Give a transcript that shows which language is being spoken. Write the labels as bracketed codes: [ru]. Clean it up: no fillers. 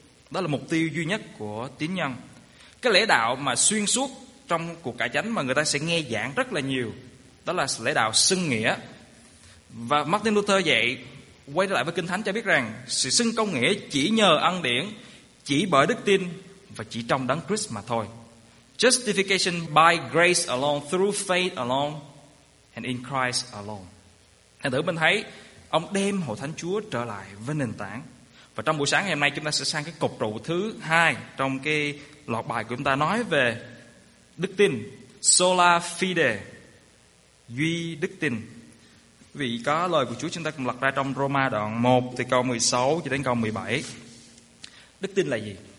[vi] Đó là mục tiêu duy nhất của tín nhân. Cái lễ đạo mà xuyên suốt trong cuộc cải chánh mà người ta sẽ nghe giảng rất là nhiều, đó là lễ đạo xưng nghĩa. Và Martin Luther dạy, quay lại với Kinh Thánh cho biết rằng sự xưng công nghĩa chỉ nhờ ân điển, chỉ bởi đức tin và chỉ trong đấng Christ mà thôi. [en] Justification by grace alone, through faith alone, and in Christ alone. [vi] Thành thử mình thấy, ông đem hội thánh Chúa trở lại với nền tảng. Và trong buổi sáng ngày hôm nay chúng ta sẽ sang cái cột trụ thứ hai trong cái loạt bài của chúng ta nói về đức tin. Sola fide, duy đức tin. Vì có lời của Chúa chúng ta cùng lật ra trong Roma đoạn 1 từ câu 16 cho đến câu 17. Đức tin là gì?